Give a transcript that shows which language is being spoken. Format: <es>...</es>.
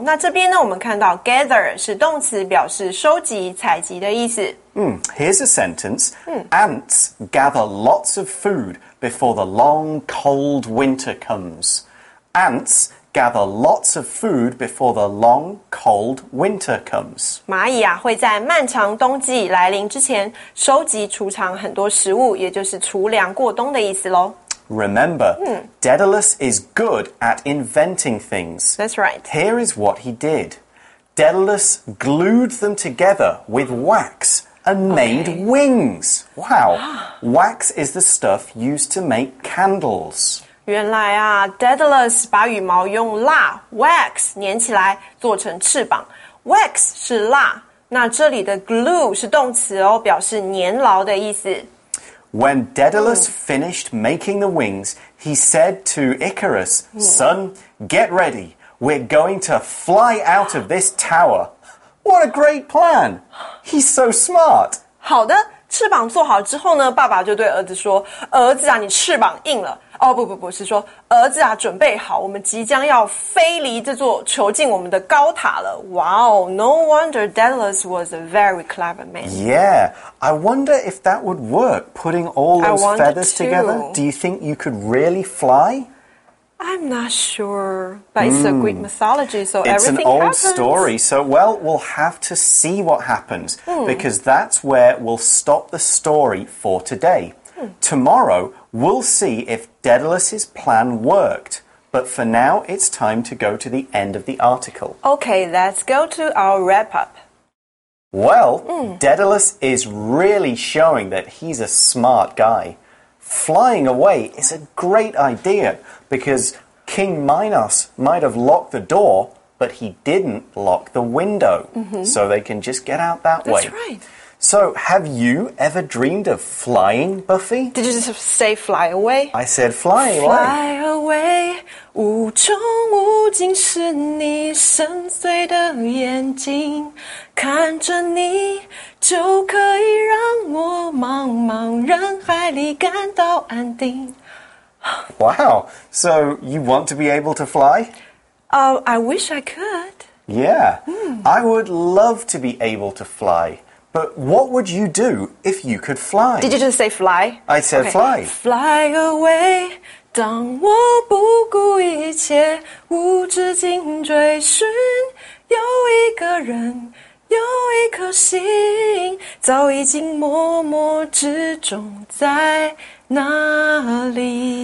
<zh>那这边呢，我们看到 gather 是动词，表示收集、采集的意思。</zh> <en>Here's a sentence. Ants gather lots of food before the long, cold winter comes. Ants... Gather lots of food before the long, cold winter comes.</en> <zh>蚂蚁啊，会在漫长冬季来临之前收集储藏很多食物，也就是储粮过冬的意思咯。</zh> <en>Remember, Daedalus is good at inventing things. That's right. Here is what he did. Daedalus glued them together with wax and made wings. Wow. Wax is the stuff used to make candles.</en> <zh>原来啊 ,Daedalus 把羽毛用蜡 ,wax, 粘起来做成翅膀。 wax 是蜡，那这里的 glue 是动词哦，表示粘牢的意思。</zh> <en>When Daedalus finished making the wings, he said to Icarus, Son, get ready, we're going to fly out of this tower. What a great plan! He's so smart!</en> <zh>好的，翅膀做好之后呢，爸爸就对儿子说，儿子啊，你翅膀硬了。哦，不不不，是说，儿子啊，准备好，我们即将要飞离这座囚禁我们的高塔了。</zh> <en>Wow, no wonder Daedalus was a very clever man. Yeah, I wonder if that would work, putting all those feathers together. Do you think you could really fly? I'm not sure, but it's a Greek mythology, so everything happens. It's an old story, so, well, we'll have to see what happens, because that's where we'll stop the story for today. Tomorrow, we'll see if Daedalus's plan worked, but for now, it's time to go to the end of the article. Okay, let's go to our wrap-up. Well, Daedalus is really showing that he's a smart guy. Flying away is a great idea because King Minos might have locked the door, but he didn't lock the window. So they can just get out that way. That's right. So have you ever dreamed of flying, Buffy? Did you just say fly away? I said fly away. Fly away,</en> <zh>无穷无尽是你深邃的眼睛，看着你就可以让我茫茫人海里感到安定。</zh> <en>Wow, so you want to be able to fly? I wish I could. Yeah, I would love to be able to fly. But what would you do if you could fly? Did you just say fly? I said fly. Fly away,</en> <zh>当我不顾一切，无止境追寻，有一个人有一颗心早已经默默之中在哪里</zh>